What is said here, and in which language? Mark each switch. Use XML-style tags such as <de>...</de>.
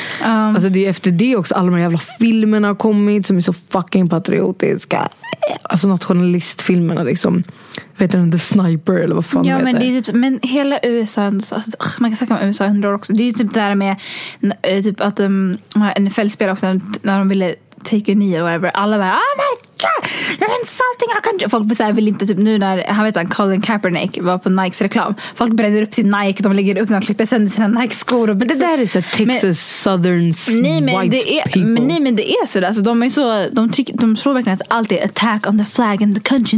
<sv>Alltså det är efter det också alla de här jävla filmerna har kommit som är så fucking patriotiska. Alltså nationalistfilmerna liksom. Vet du, The Sniper eller vad fan ja, men det är typ, men hela USA, alltså, man kan säga om USA 100 år också. Det är typ det där med typ att NFL-spelare också när de ville</sv> <en>take a knee</en> <sv>och whatever. Alla bara,</sv> <en>oh my god, you're insulting our country.</en> <sv>Folk säger, vill inte typ nu när, han vet han, Colin Kaepernick var på Nikes reklam. Folk bränner upp sin Nike, de lägger upp några klipper sen sina Nike-skor. Men det där är så Texas, men, Southerns nej, men</sv> <en>white</en> <sv>det är,</sv> <en>people.</en> <sv>Men, nej, men det är sådär. Alltså, de är så, de tror verkligen att allt är</sv> <en>attack on the flag and the country.</en>